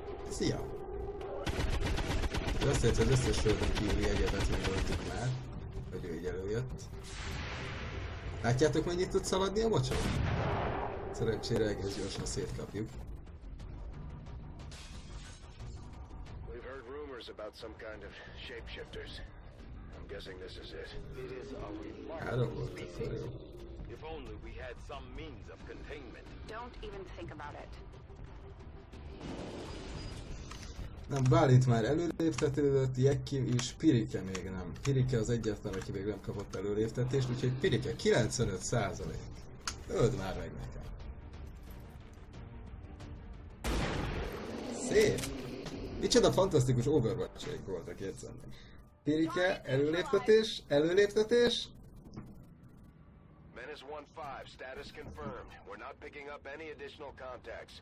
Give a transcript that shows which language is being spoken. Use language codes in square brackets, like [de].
[hu] Szia. Ez azt jelenti, hogy az összes földön kívüli egyetet megoldtuk már, hogy ő így előjött. Látjátok, mennyit tud szaladni a mocsok? Szerencsére egész gyorsan szétkapjuk. [en] We've heard rumors about some kind of shapeshifters. I'm guessing this is it. It is a remarkable species. If only we had some means of containment. Don't even think about it. [hu] Nem, Bálint már előléptetődött, Jekki és Pirike még nem. Pirike az egyetlen, aki még nem kapott előléptetést, úgyhogy Pirike 95%. Öld már meg nekem. Szép! Micsoda fantasztikus overwatch-aik voltak, érzem meg. Pirike, előléptetés, előléptetés. [en] Menace 1-5, status confirmed. We're not picking up any additional contacts.